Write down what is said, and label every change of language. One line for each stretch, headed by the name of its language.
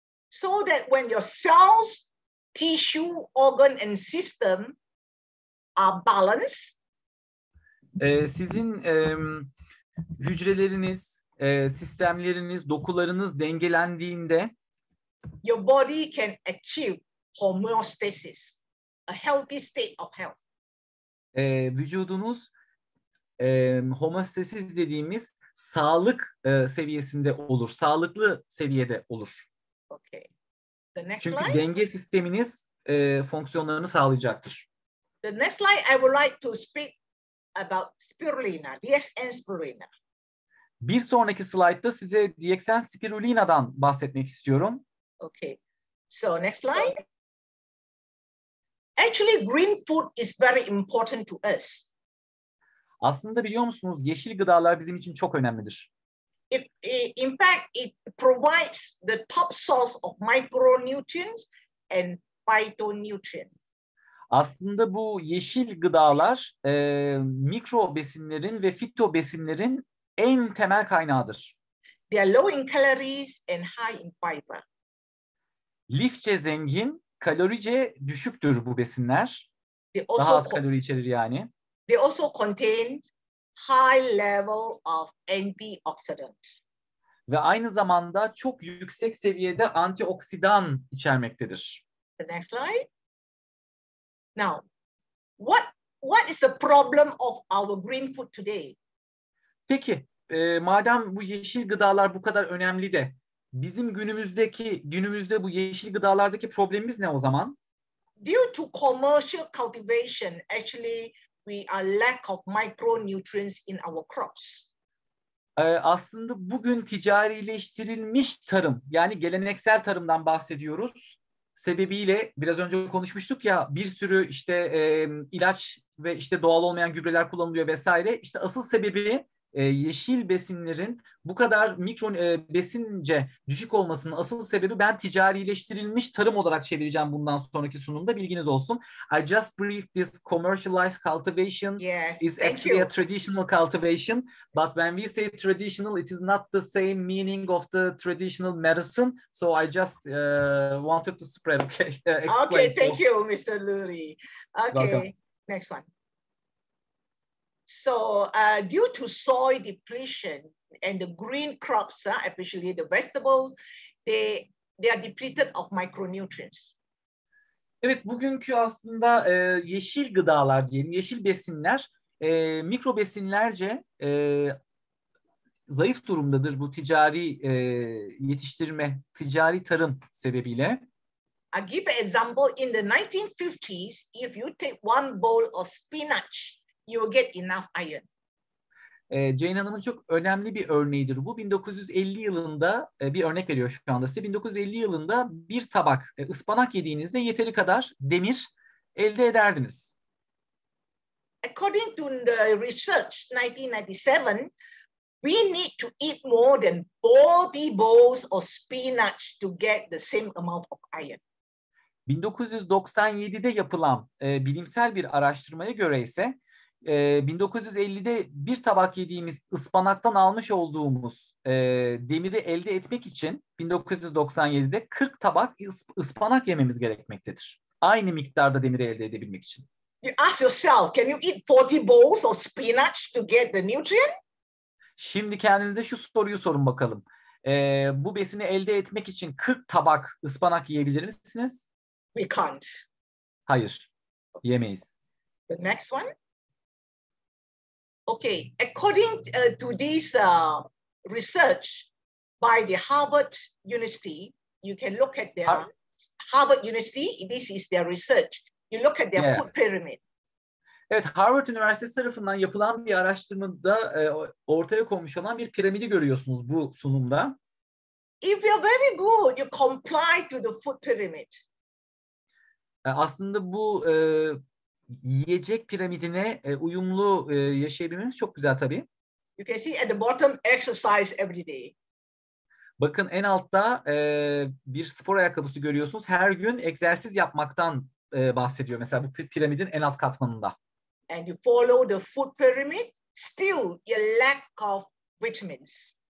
English: So that when your cells, tissue, organ and system are balanced.
Turkish: Sizin hücreleriniz, sistemleriniz, dokularınız dengelendiğinde
English: your body can achieve homeostasis, a healthy state of health.
Turkish: Vücudunuz homeostasis dediğimiz sağlık seviyesinde olur, sağlıklı seviyede olur.
English: Okay. The next
Turkish: çünkü
English: slide.
Turkish: Denge sisteminiz fonksiyonlarını sağlayacaktır.
English: The next slide I would like to speak about spirulina, DSM spirulina.
Turkish: Bir sonraki slide'da size DXN spirulina'dan bahsetmek istiyorum.
English: Okay. So next slide. Actually green food is very important to us.
Turkish: Aslında biliyor musunuz yeşil gıdalar bizim için çok önemlidir.
English: In fact it provides the top source of micronutrients and phytonutrients.
Turkish: Aslında bu yeşil gıdalar mikro besinlerin ve fito besinlerin en temel kaynağıdır.
English: They are low in calories and high in fiber.
Turkish: Lifçe zengin, kalorice düşüktür bu besinler. Daha az kalori içerir yani.
English: They also contain high level of antioxidant.
Turkish: Ve aynı zamanda çok yüksek seviyede antioksidan içermektedir.
English: The next slide. Now, what is the problem of our green food today?
Turkish: Peki, madem bu yeşil gıdalar bu kadar önemli de, bizim günümüzde bu yeşil gıdalardaki problemimiz ne o zaman?
English: Due to commercial cultivation, actually we are lack of micronutrients in our crops.
Turkish: Aslında bugün ticarileştirilmiş tarım, yani geleneksel tarımdan bahsediyoruz. Sebebiyle biraz önce konuşmuştuk ya, bir sürü işte ilaç ve işte doğal olmayan gübreler kullanılıyor vesaire. İşte asıl sebebi yeşil besinlerin bu kadar mikro besince düşük olmasının asıl sebebi, ben ticarileştirilmiş tarım olarak çevireceğim bundan sonraki sunumda, bilginiz olsun.
English: I just briefed this commercialized cultivation. Yes, is actually you. A traditional cultivation, but when we say traditional it is not the same meaning of the traditional medicine, so I just wanted to spread. Okay, thank so. You Mr. Luri. Okay, welcome. Next one. So due to soil depletion and the green crops, especially the vegetables, they are depleted of micronutrients.
Turkish: Evet, bugünkü aslında yeşil gıdalar diyelim, yeşil besinler mikro besinlerce zayıf durumdadır bu ticari yetiştirme, ticari tarım sebebiyle.
English: I give an example. In the 1950s, if you take one bowl of spinach, you will get enough iron.
Turkish: Jane Hanım'ın çok önemli bir örneğidir bu. 1950 yılında bir örnek veriyor şu anda size. 1950 yılında bir tabak ıspanak yediğinizde yeteri kadar demir elde ederdiniz.
English: According to the research 1997, we need to eat more than 40 bowls of spinach to get the same amount of iron.
Turkish: 1997'de yapılan bilimsel bir araştırmaya göre ise 1950'de bir tabak yediğimiz ıspanaktan almış olduğumuz demiri elde etmek için 1997'de 40 tabak ıspanak yememiz gerekmektedir. Aynı miktarda demiri elde edebilmek için.
English: You ask yourself, can you eat 40 bowls of spinach to get the nutrient?
Turkish: Şimdi kendinize şu soruyu sorun bakalım. Bu besini elde etmek için 40 tabak ıspanak yiyebilir misiniz?
English: We can't.
Turkish: Hayır, yemeyiz.
English: The next one. Okay, according to this research by the Harvard University, you can look at their Harvard University, this is their research. You look at their food pyramid.
Turkish: Evet, Harvard Üniversitesi tarafından yapılan bir araştırmada ortaya konmuş olan bir piramidi görüyorsunuz bu sunumda.
English: If you're very good, you comply to the food pyramid.
Turkish: Aslında bu yiyecek piramidine uyumlu yaşayabilmeniz çok güzel tabii.
English: You can see at the bottom exercise every day.
Turkish: Bakın en altta bir spor ayakkabısı görüyorsunuz. Her gün egzersiz yapmaktan bahsediyor mesela bu piramidin en alt katmanında.
English: And you follow the food pyramid, still your lack of vitamins.